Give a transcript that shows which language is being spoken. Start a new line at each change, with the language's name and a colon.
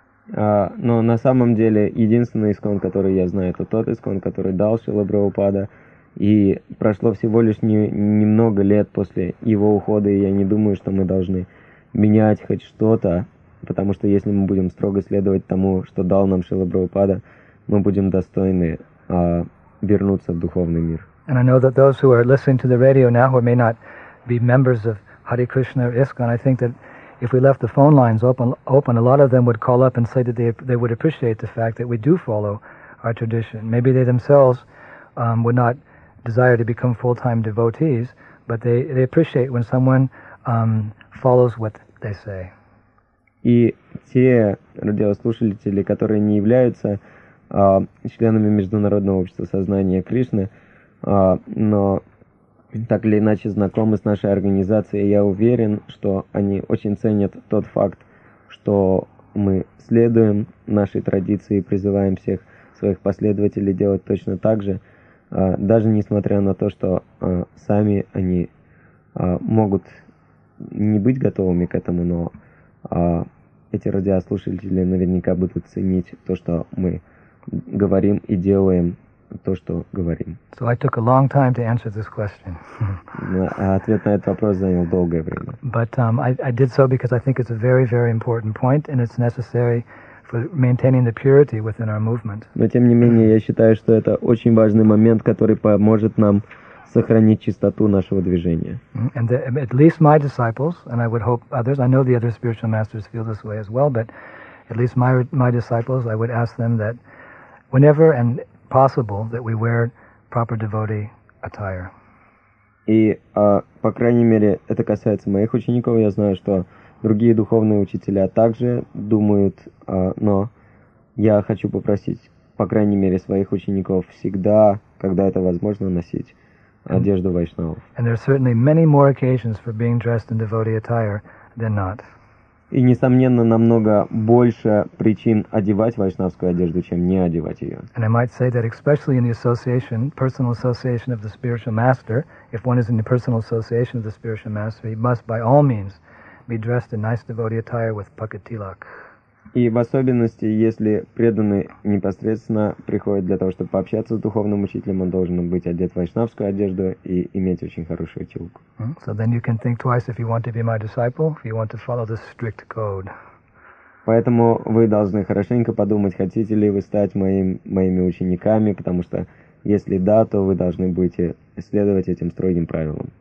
Russian: Но на самом деле, единственный ИСККОН, который я знаю, это тот ИСККОН, который дал Шрила Прабхупада, и прошло всего лишь немного лет после его ухода, и я не думаю, что мы должны менять хоть что-то, потому что если мы будем строго следовать тому, что дал нам Шрила Прабхупада, мы будем достойны вернуться в духовный мир.
English: And I know that those who are listening to the radio now who may not be members of Hare Krishna or ISKCON, I think that if we left the phone lines open, a lot of them would call up and say that they would appreciate the fact that we do follow our tradition. Maybe they themselves would not desire to become full-time devotees, but they appreciate when someone follows what they say.
Russian: И те радиослушатели, которые не являются членами Международного общества сознания Кришны, но так или иначе знакомы с нашей организацией, я уверен, что они очень ценят тот факт, что мы следуем нашей традиции и призываем всех своих последователей делать точно так же, даже несмотря на то, что сами они могут не быть готовыми к этому, но эти радиослушатели наверняка будут ценить то, что мы говорим и делаем. То, что говорим.
English: So I took a long time to answer this question.
Russian: Ответ на этот вопрос занял долгое время.
English: But I did so because I think it's a very, very important point, and it's necessary for maintaining the purity within our movement.
Russian: Но тем не менее, я считаю, что это очень важный момент, который поможет нам сохранить чистоту нашего движения.
English: And at least my disciples, and I would hope others, I know the other spiritual masters feel this way as well, but at least my disciples, I would ask them that whenever and possible that we wear proper devotee attire.
Russian: И, по крайней мере, это касается моих учеников. Я знаю, что другие духовные учителя также думают, но я хочу попросить, по крайней мере, своих учеников всегда, когда это возможно, носить одежду вайшнавов.
English: And there are certainly many more occasions for being dressed in devotee attire than not.
Russian: И, несомненно, намного больше причин одевать вайшнавскую одежду, чем не одевать ее.
English: And I might say that especially in the association, personal association of the spiritual master, if one is in the personal association of the spiritual master, he must by all means be dressed in nice devotee attire with pucket tilak.
Russian: И в особенности, если преданный непосредственно приходит для того, чтобы пообщаться с духовным учителем, он должен быть одет в вайшнавскую одежду и иметь очень хорошую тилку.
English: So then you can think twice if you want to be my disciple, if you want to follow this strict code.
Russian: Поэтому вы должны хорошенько подумать, хотите ли вы стать моими учениками, потому что если да, то вы должны будете следовать этим строгим правилам.